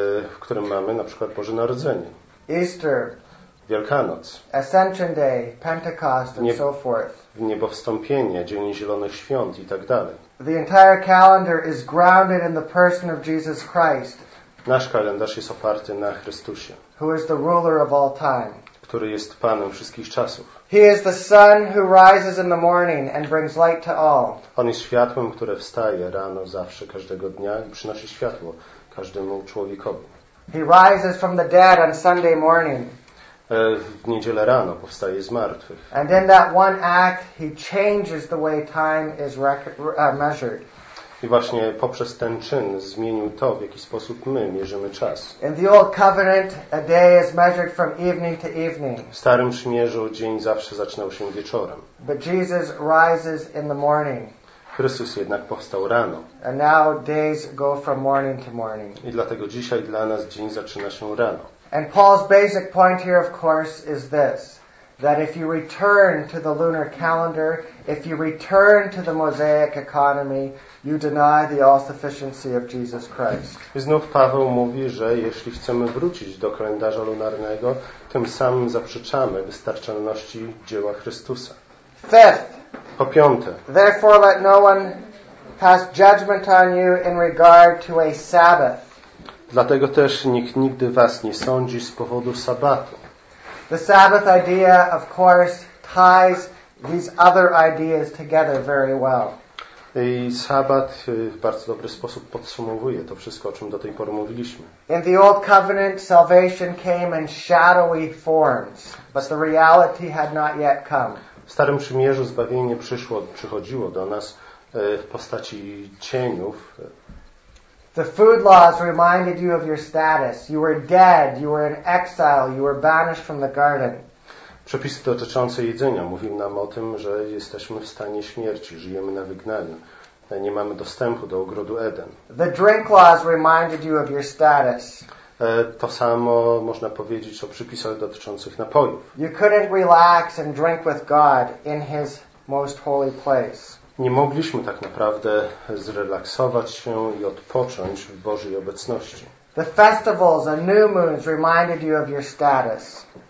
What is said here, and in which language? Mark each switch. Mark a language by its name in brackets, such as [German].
[Polish] W którym mamy na przykład Boże Narodzenie. [English] Easter. [Polish] Wielkanoc. [English] Ascension Day, Pentecost and so forth. [Polish] Niebowstąpienie, Dzień Zielonych Świąt i tak dalej. [English] The entire calendar is grounded in the person of Jesus Christ. [Polish] Nasz kalendarz jest oparty na Chrystusie. [English] Who is the ruler of all time. [Polish] Który jest Panem wszystkich czasów. [English] He is the sun who rises in the morning and brings light to all. [Polish] On jest światłem, które wstaje rano zawsze każdego dnia i przynosi światło każdemu człowiekowi. [English] He rises from the dead on Sunday morning. [Polish] W niedzielę rano powstaje z martwych. [English] And in that one act he changes the way time is measured. [Polish] I właśnie poprzez ten czyn zmienił to, w jaki sposób my mierzymy czas. [English] In the old covenant, a day is measured from evening to evening. [Polish] W Starym Przymierzu dzień zawsze zaczynał się wieczorem. [English] But Jesus rises in the morning. [Polish] Chrystus jednak powstał rano. [English] And now days go from morning to morning. [Polish] I dlatego dzisiaj dla nas dzień zaczyna się rano. [English] And Paul's basic point here, of course, is this. That if you return to the lunar calendar, if you return to the Mosaic economy, you deny the all-sufficiency of Jesus Christ. [Polish] Znów Paweł mówi, że jeśli chcemy wrócić do kalendarza lunarnego, tym samym zaprzeczamy wystarczalności dzieła Chrystusa. [English] Fifth. [Polish] Po piąte. [English] Therefore let no one pass judgment on you in regard to a Sabbath. [Polish] Dlatego też nikt nigdy was nie sądzi z powodu sabbatu. [English] The Sabbath idea, of course, ties these other ideas together very well. [Polish] I sabbat w bardzo dobry sposób podsumowuje to wszystko, o czym do tej pory mówiliśmy. [English] In the old covenant, salvation came in shadowy forms, but the reality had not yet come. [Polish] W Starym Przymierzu zbawienie przychodziło do nas w postaci cieniów. [English] The food laws reminded you of your status. You were dead, you were in exile, you were banished from the garden. [Polish] Przepisy dotyczące jedzenia mówiły nam o tym, że jesteśmy w stanie śmierci, żyjemy na wygnaniu. Nie mamy dostępu do ogrodu Eden. [English] The drink laws reminded you of your status. [Polish] To samo można powiedzieć o przepisach dotyczących napojów. [English] You couldn't relax and drink with God in his most holy place. [Polish] Nie mogliśmy tak naprawdę zrelaksować się i odpocząć w Bożej obecności. [English] The festivals and new moons reminded you of your status.